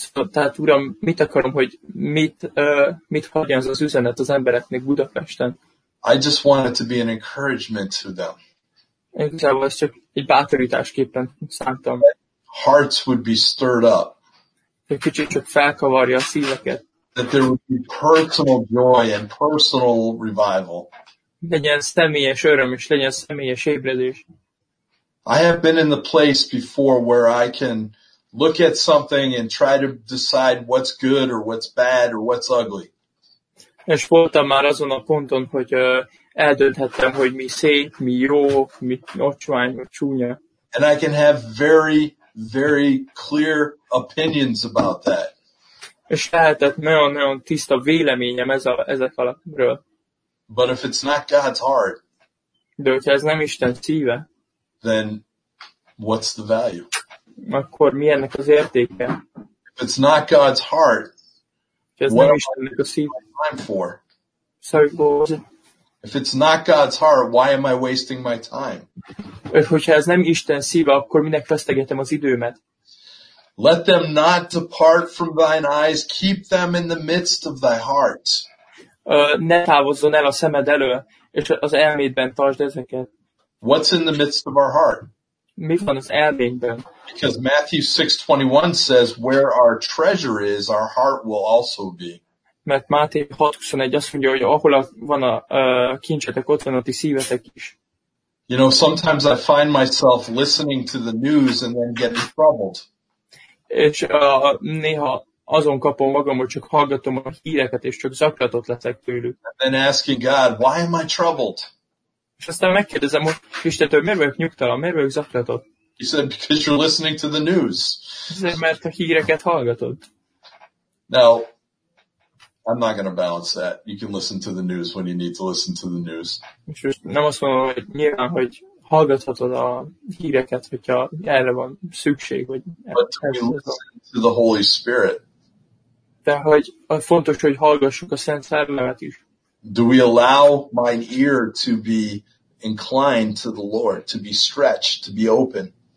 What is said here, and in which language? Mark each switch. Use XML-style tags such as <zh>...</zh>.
<hu>Tehát, Uram, mit akarom, hogy mit hagyjon az üzenet az embereknek Budapesten?</hu> <en>I just want it to be an encouragement to them.</en> <hu>Én igazából ezt csak egy bátorításképpen szántam.</hu> <en>Hearts would be stirred up.</en> <hu>Egy kicsit csak felkavarja a szíveket.</hu> <en>That there would be personal joy and personal revival.</en> <hu>Legyen személyes öröm, és legyen személyes ébredés.</hu> <en>I have been in the place before where I can look at something and try to decide what's good or what's bad or what's ugly.</en> <hu>És voltam már azon a ponton, hogy eldönthettem, hogy mi szép, mi jó, mi ocsvány, mi csúnya.</hu> <en>And I can have very, very clear opinions about that.</en> <hu>És lehetett nagyon-nagyon tiszta véleményem ezek alapról.</hu> <en>But if it's not God's heart,</en> <hu>de hogyha ez nem Isten szíve,</hu> <en>then what's the value?</en> <hu>Akkor mi ennek az értéke?</hu> <en>If it's not God's heart, if it's not God's heart, why am I wasting my time?</en> <hu>Hogyha ez nem Isten szíve, akkor minek vesztegetem az időmet?</hu> <en>Let them not depart from thine eyes, keep them in the midst of thy heart.</en> <hu>Ne távozzon el a szemed elől, és az elmédben tartsd ezeket.</hu> <en>What's in the midst of our heart?</en> <hu>Mi van az elménkben?</hu> <en>Because Matthew 6:21 says, where our treasure is, our heart will also be.</en> <hu>Mert Máté 6:21 azt mondja, hogy ahol van a kincsetek, ott van a ti szívetek is.</hu> <en>You know, sometimes I find myself listening to the news and then getting troubled.</en> <hu>És néha azon kapom magam, hogy csak hallgatom a híreket, és csak zaklatott leszek tőlük.</hu> <en>And then asking God, why am I troubled?</en> <hu>És aztán megkérdezem, hogy Istentől, miért vagyok nyugtalan, miért vagyok zaklatott?</hu> <en>He said, because you're listening to the news.</en> <hu>Azért, mert a híreket hallgatod.</hu> <en>Now, I'm not going to balance that. You can listen to the news when you need to listen to the news.</en> <hu>És nem azt mondom, hogy nyilván, hogy hallgathatod a híreket, hogyha erre van szükség. Vagy</hu> <en>but to listen to the Holy Spirit.</en> <hu>De hogy fontos, hogy hallgassuk a Szent Szellemet is.</hu> <en>Do we allow my ear to be inclined to the Lord, to be stretched, to be open?</en>